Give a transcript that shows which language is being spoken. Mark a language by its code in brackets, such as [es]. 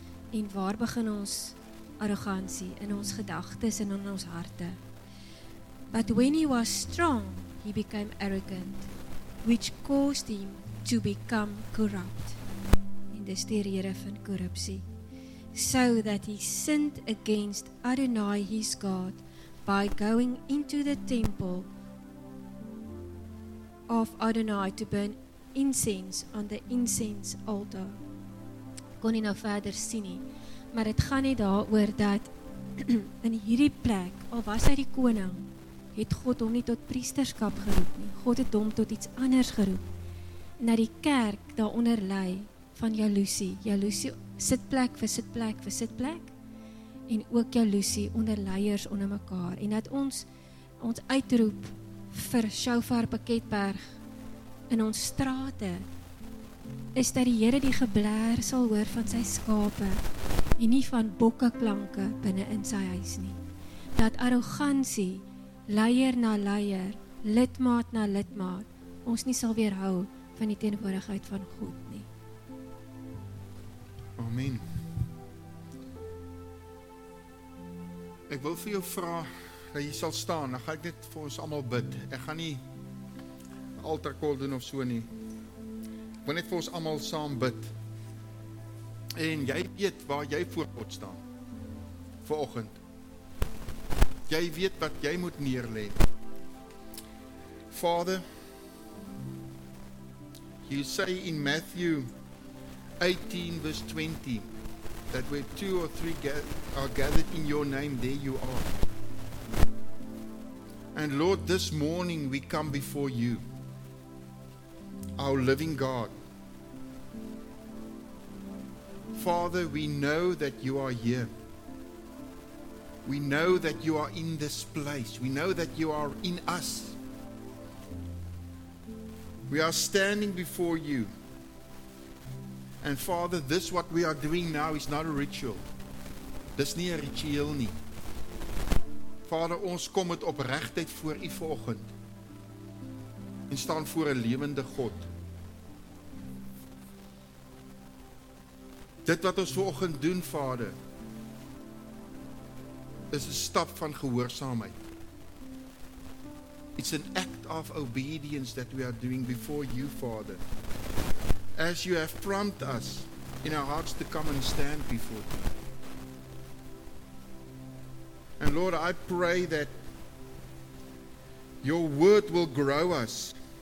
[af] En waar begin ons arrogantie? In ons gedagtes en in ons harte. [en] But when he was strong, he became arrogant, which caused him to become corrupt. [af] En dis die rede van korrupsie. [en] So that he sinned against Adonai his God by going into the temple of Adonai to burn incense on the incense altar. [af] Kon nie nou verder sien nie, maar het gaan nie daar oor dat in hierdie plek, al was hy die koning, het God hom nie tot priesterskap geroep nie. God het hom tot iets anders geroep, na die kerk daaronder lei van jaloesie. Jaloesie sit plek vir sit plek vir sit plek, en ook jaloesie onder leiers onder mekaar, en dat ons uitroep vir Shofar Paketberg in ons strate, is dat die Here die geblaar sal hoor van sy skape, en nie van bokkeklanke binne in sy huis nie. Dat arrogantie, leier na leier, lidmaat na lidmaat, ons nie sal weerhou van die teenwoordigheid van God nie. Amen. Ek wil vir jou vra, dat jy sal staan, dan ga ek dit vir ons allemaal bid. Ek gaan nie altar call doen of so nie. Ek wil net vir ons allemaal saam bid. En jy weet waar jy voor God staan, vanoggend. Jy weet wat jy moet neerlê. [en] Vader, you say in Matthew 18 verse 20, that where two or three are gathered in your name, there you are. And Lord, this morning we come before you, our living God. Father, we know that you are here. We know that you are in this place. We know that you are in us. We are standing before you. And Father, this what we are doing now is not a ritual. [af] Dis nie 'n ritueel nie. Vader, ons kom met opregtheid voor u vanoggend. En staan voor 'n lewende God. Dit wat ons vanoggend doen, Vader, is 'n stap van gehoorsaamheid. [en] It's an act of obedience that we are doing before you, Father. As you have prompted us in our hearts to come and stand before you. And Lord, I pray that your word will grow us.